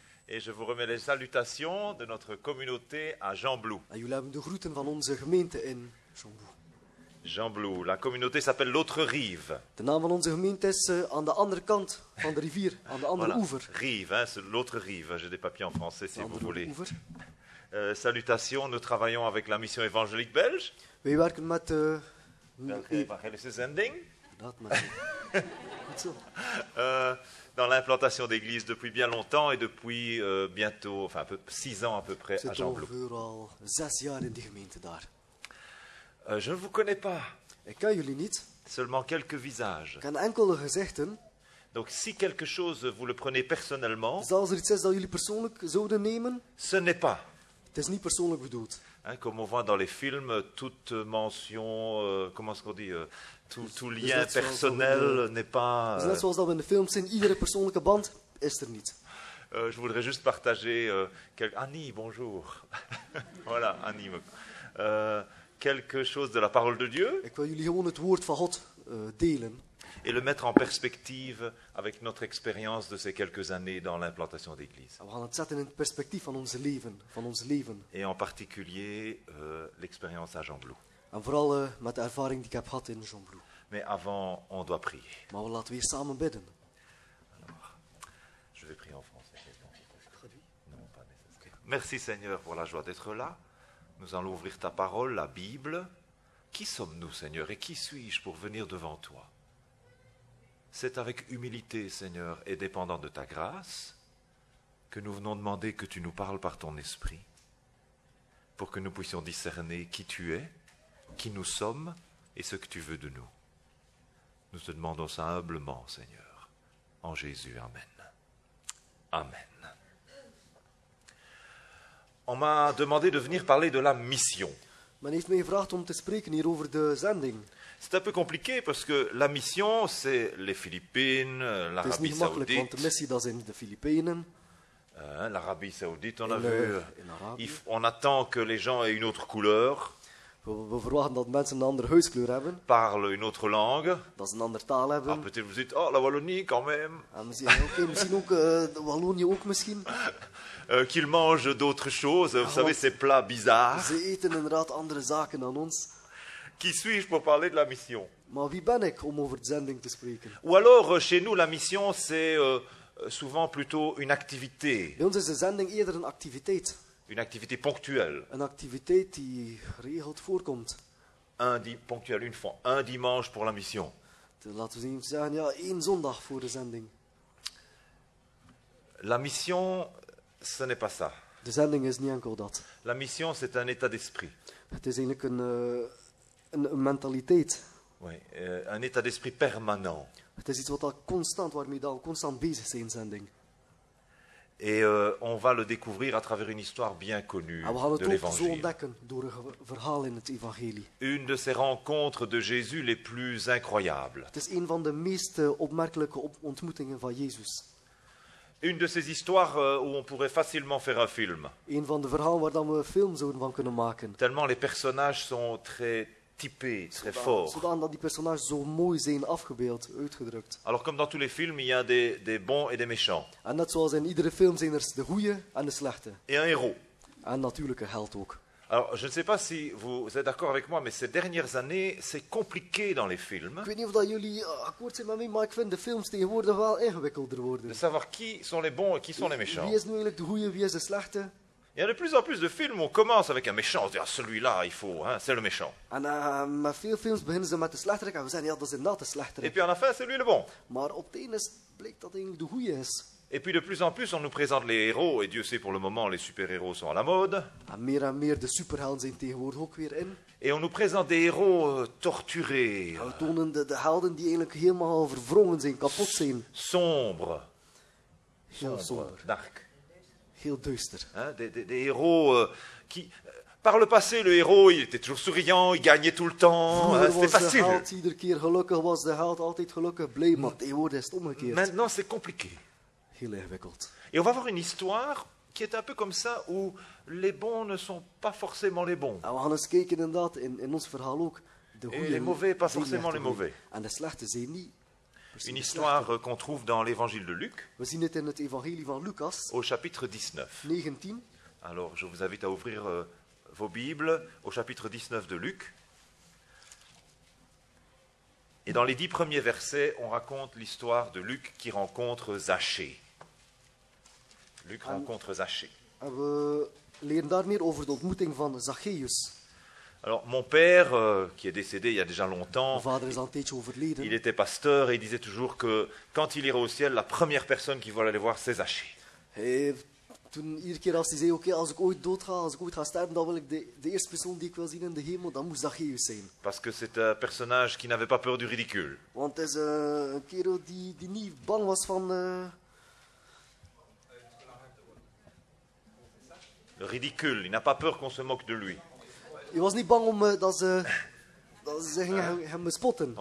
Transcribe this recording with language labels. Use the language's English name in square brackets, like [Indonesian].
[French] Et je vous remets les salutations de notre communauté à Jean Blou. [Dutch] En jullie hebben de groeten van onze gemeente in Jean Blou. [French] Jean Blou, la communauté s'appelle l'autre rive. [Dutch] De naam van onze gemeente is aan de andere kant van de rivier, aan de andere [French] voilà. [Dutch] Oever. [French] Rive, hein, c'est l'autre rive. J'ai des papiers en français si [Dutch] de [French] vous voulez. [Dutch] Oever. [French] Salutations, nous travaillons avec la mission évangélique belge. [Dutch] Wij werken met. Belgische zending. Dat maar. Goed zo. [French] Dans l'implantation d'église depuis bien longtemps et depuis bientôt, enfin, peu, 6 ans à peu près à Jean Blou. Je suis [Dutch] al 6 jaar in die gemeente daar. [French] Je ne vous connais pas. [Dutch] Ik ken jullie niet. [French] Seulement quelques visages. [Dutch] Ik ken enkele gezichten. [French] Donc si quelque chose vous le prenez personnellement. [Dutch] Dus als er iets is dat jullie persoonlijk zouden nemen. [French] Ce n'est pas. [Dutch] Het is niet persoonlijk bedoeld. [French] Hein, comme on voit dans les films, toute mention, comment est-ce qu'on dit, tout lien [Dutch] dus [French] personnel n'est pas. [Dutch] Dus net zoals dat we in de films zien, iedere persoonlijke band is er niet. [French] Je voudrais juste partager Annie, bonjour. Voilà, Annie. Quelque chose de la parole de Dieu. [Dutch] Ik wil jullie gewoon het woord van God delen. [French] Et le mettre en perspective avec notre expérience de ces quelques années dans l'implantation d'église. [Dutch] We gaan het zetten in perspectief van ons leven, van ons leven. [French] Et en particulier l'expérience à Jean Blou. [Dutch] En vooral met de ervaring die ik heb gehad in Jean Blou. [French] Mais avant, on doit prier. [Dutch] Maar we laten weer samen bidden. [French] Alors, je vais prier en français. Non, pas nécessaire. Okay. Merci Seigneur pour la joie d'être là. Nous allons ouvrir ta parole, la Bible. Qui sommes-nous, Seigneur, et qui suis-je pour venir devant toi? C'est avec humilité, Seigneur, et dépendant de ta grâce, que nous venons demander que tu nous parles par ton esprit, pour que nous puissions discerner qui tu es, qui nous sommes, et ce que tu veux de nous. Nous te demandons ça humblement, Seigneur. En Jésus, amen. Amen. On m'a demandé de venir parler de la mission. [Dutch] Men heeft mij gevraagd om te spreken hier over de zending. [French] C'est un peu compliqué parce que la mission c'est les Philippines, l'Arabie Saoudite. [Dutch] Het is niet gemakkelijk, want de missie dat zijn de Filipijnen. [French] L'Arabie Saoudite, on a vu. On attend que les gens aient une autre couleur. [Dutch] We verwachten dat mensen een andere huidskleur hebben. [French] Parlent une autre langue. [Dutch] Dat ze een andere taal hebben. [French] Ah, peut-être vous dites, oh, la Wallonie quand même. [Dutch] Misschien ook de Wallonie ook misschien. [French] Qu'ils mangent d'autres choses, vous savez, ces plats bizarres. [Dutch] Ze eten inderdaad andere zaken dan ons. [French] Qui suis-je pour parler de la mission? [Dutch] Maar wie ben ik om over de zending te spreken? [French] Ou alors, chez nous, la mission, c'est souvent plutôt une activité. [Dutch] Bij ons is de zending eerder een activiteit. [French] Une activité ponctuelle. [Dutch] Een activiteit die geregeld voorkomt. [French] Ponctuelle, une fois, un dimanche pour la mission. [Dutch] Laten we eens zeggen, ja, één zondag voor de zending. [French] La mission, ce n'est pas ça. [Dutch] De zending is niet enkel dat. [French] La mission, c'est un état d'esprit. [Dutch] Het is eigenlijk een mentaliteit. [French] Oui, un état d'esprit permanent. [Dutch] Het is iets wat al constant, waarmee al constant bezig zijn, zending. [French] Et on va le découvrir à travers une histoire bien connue de l'Évangile. On va le découvrir [Dutch] zo ontdekken door een verhaal in het Evangelie. [French] Une de ces rencontres de Jésus les plus incroyables. [Dutch] Het is een van de meest opmerkelijke ontmoetingen van Jezus. [French] Une de ces histoires où on pourrait facilement faire un film. [Dutch] Een van de verhalen waar dan we een film zouden van kunnen maken. [French] Tellement les personnages sont très typés, très forts. [Dutch] Zodanig dat die personages zo mooi zijn afgebeeld, uitgedrukt. [French] Alors comme dans tous les films, il y a des bons et des méchants. [Dutch] En net zoals in iedere film zijn er de goeie en de slechte. [French] Et un héros. [Dutch] En natuurlijk een held ook. [French] Alors, je ne sais pas si vous êtes d'accord avec moi, mais ces dernières années, c'est compliqué dans les films. [Dutch] Ik weet niet of jullie akkoord zijn met mij, maar ik vind de films tegenwoordig wel ingewikkelder worden. [French] De savoir qui sont les bons et qui sont les méchants. [Dutch] Wie is nu eigenlijk de goeie, wie is de slechte? [French] Il y a de plus en plus de films où on commence avec un méchant, on se dit, ah, celui-là, il faut, hein, c'est le méchant. [Dutch] En met veel films beginnen ze met de slechterik en we zeggen, ja, dat is inderdaad de slechterik. [French] Et puis à la fin, c'est lui le bon. [Dutch] Maar op het einde blijkt dat eigenlijk de goeie is. [French] Et puis de plus en plus, on nous présente les héros, et Dieu sait pour le moment, les super-héros sont à la mode. [Dutch] En meer de superhelden zijn tegenwoordig ook weer in. [French] Et on nous présente des héros torturés. [Dutch] En we tonen de helden die eigenlijk helemaal verwrongen zijn, kapot zijn. [French] Sombre. [Dutch] Heel sombre. [English] Dark. [Dutch] Heel duister. [French] Hein, des héros qui... Par le passé, le héros, il était toujours souriant, il gagnait tout le temps, c'était facile. [Dutch] Vroeger was de held iedere keer gelukkig, was de held altijd gelukkig, blij, maar tegenwoordig is het omgekeerd. [French] Maintenant, c'est compliqué. [Dutch] Heel ingewikkeld. [French] Et on va voir une histoire qui est un peu comme ça, où les bons ne sont pas forcément les bons. [Dutch] En we gaan eens kijken inderdaad in ons verhaal ook de goede. [French] Et les mauvais pas forcément les mauvais. [Dutch] En de slechte zijn niet. [French] Une histoire qu'on trouve dans l'évangile de Luc. [Dutch] We zien het in het evangelie van Lucas. [French] Au chapitre 19. [Dutch] 19. [French] Alors je vous invite à ouvrir vos Bibles au chapitre 19 de Luc. Et dans les 10 premiers versets, on raconte l'histoire de Luc qui rencontre Zachée. Luc rencontre Zachée. [Dutch] En we leren daar meer over de ontmoeting van Zacchaeus. [French] Alors, mon père, qui est décédé il y a déjà longtemps, il était pasteur et il disait toujours que quand il irait au ciel, la première personne qu'il voulait aller voir, c'est Zachée. [Dutch] Et il disait, ok, als ik ooit dood ga, als ik ooit ga sterven, dan wil ik de eerste persoon die ik wil zien in de hemel, dan moet Zacchaeus zijn. [French] Parce que c'est un personnage qui n'avait pas peur du ridicule. [Dutch] Want het is een kerel die niet bang was van... [French] Ridicule, il n'a pas peur qu'on se moque de lui. [Dutch] Il was niet bang om dat ze hem spotten.